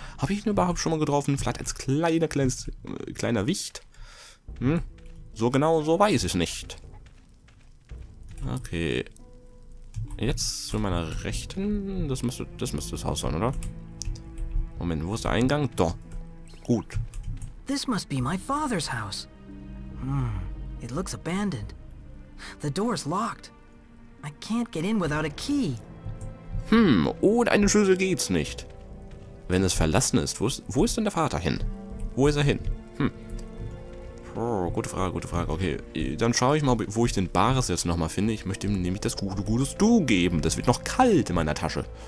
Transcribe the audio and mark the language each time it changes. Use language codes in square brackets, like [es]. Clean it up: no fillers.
[de] Habe ich ihn überhaupt schon mal getroffen? Vielleicht als kleiner Wicht? So genau, so weiß ich nicht. Okay. Jetzt zu meiner Rechten. Das müsste das Haus sein, oder? Moment, wo ist der Eingang? Da. Gut. [en] This must be my father's house. It looks abandoned. The door is locked. I can't get in without a key. [de] Ohne eine Schlüssel geht's nicht. Wenn es verlassen ist, wo ist denn der Vater hin? Wo ist er hin? Gute Frage. Okay, dann schaue ich mal, wo ich den Bares jetzt nochmal finde. Ich möchte ihm nämlich das gutes Du geben. Das wird noch kalt in meiner Tasche.